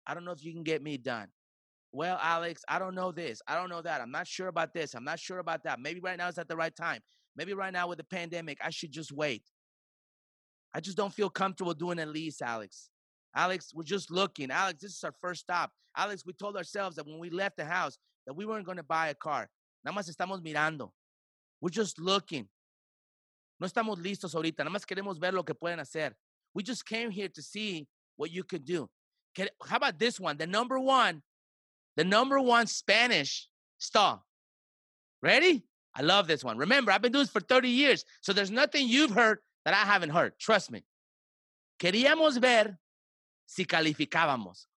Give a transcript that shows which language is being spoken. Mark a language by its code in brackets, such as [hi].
[en] I don't know if you can get me done. Well, Alex, I don't know this. I don't know that. I'm not sure about this. I'm not sure about that. Maybe right now is not the right time. Maybe right now with the pandemic, I should just wait. I just don't feel comfortable doing a lease, Alex. Alex, we're just looking. Alex, this is our first stop. Alex, we told ourselves that when we left the house that we weren't going to buy a car. [es] Nada más estamos mirando. [en] We're just looking. [es] No estamos listos ahorita. Nada más queremos ver lo que pueden hacer. [en] We just came here to see what you could do. How about this one? The number one Spanish stall. Ready? I love this one. Remember, I've been doing this for 30 years. So there's nothing you've heard that I haven't heard. Trust me. [es] Queríamos ver si calificábamos.